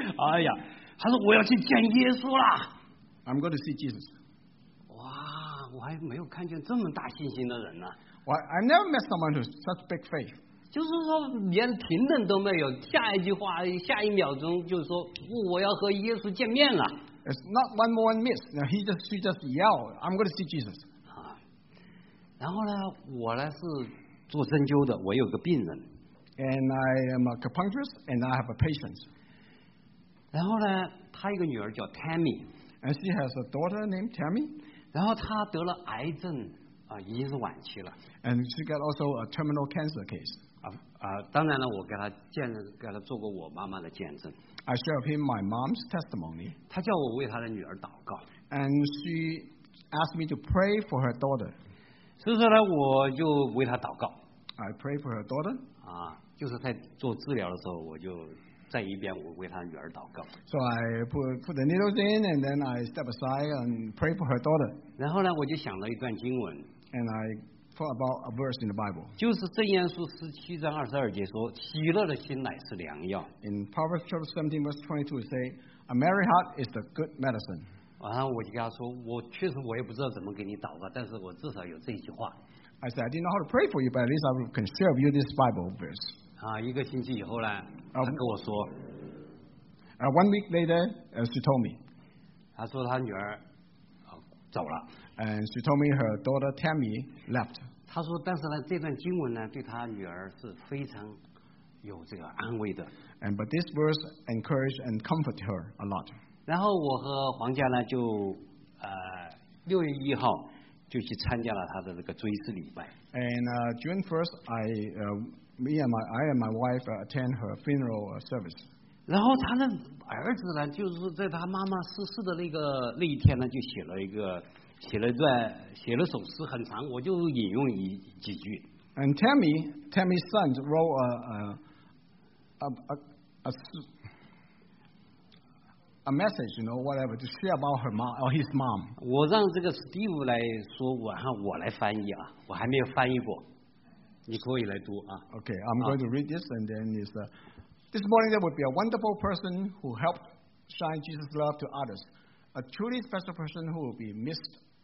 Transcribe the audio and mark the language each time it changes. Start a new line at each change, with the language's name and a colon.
Chinese: 哎呀，他说我要去见耶稣了。
English: I'm going to see Jesus。
Chinese: 哇，我还没有看见这么大信心的人呢。
English: I never met someone with such big faith。
Chinese: 就是说连停顿都没有，下一句话下一秒钟就是说我要和耶稣见面了。
English: It's not one more one miss. Now he just yelled, "I'm going to see Jesus."
Chinese: 啊，然后呢，我呢是做针灸的，我有个病人。
English: And I am a acupuncturist, and I have a patient.
Chinese: 然后呢，他一个女儿叫 Tammy.
English: And she has a daughter named Tammy.
Chinese: 然后她得了癌症啊，已经是晚期了。
English: And she got also a terminal cancer case.
Chinese: 当然了，我给他见，给他做过我妈妈的见证。
English: I shared him my mom's testimony.
Chinese: 他叫我为他的女儿祷告。
English: And she asked me to pray for her daughter.
Chinese: 所以说呢，我就为他祷告。
English: I pray for her daughter.
Chinese: 啊，就是在做治疗的时候，我就在一边我为他女儿祷告。
English: So I put the needles in and then I step aside and pray for her daughter.
Chinese: 然后呢，我就想了一段经文。
English: And I. For about a verse in the Bible.
Chinese: 就是箴言书十七章二十二节说，喜乐的心乃是良药。
English: In Proverbs chapter 17 verse 22 say, a merry heart is the good medicine.
Chinese: 然后我就跟他说，我确实我也不知道怎么给你祷告，但是我至少有这句话。
English: I said, I didn't know how to pray for you, but at least I can share with you this Bible verse.
Chinese: 啊，一个星期以后呢，他跟我说。
English: One week later, she told me.
Chinese: 他说他女儿，走了。
English: And she told me her daughter Tammy left.
Chinese: 她说，但是呢，这段经文呢，对她女儿是非常有这个安慰的。
English: And but this verse encouraged and comforted her a lot.
Chinese: 然后我和黄家呢，就六月一号就去参加了她的这个追思礼拜。
English: And June 1st, I and my wife attend her funeral service.
Chinese: 然后她的儿子呢，就是在她妈妈逝世的那一天呢，就写了一个。写了首诗很长，我就引用几句。
English: And Tammy's son wrote a message, you know, whatever, to share about her mom or his mom.
Chinese: 我让这个 Steve 来说，我来翻译啊，我还没有翻译过，你可以来读啊。
English: Okay, I'm going to read this, and then it's this morning there will be a wonderful person who helped shine Jesus' love to others, a truly special person who will be missed.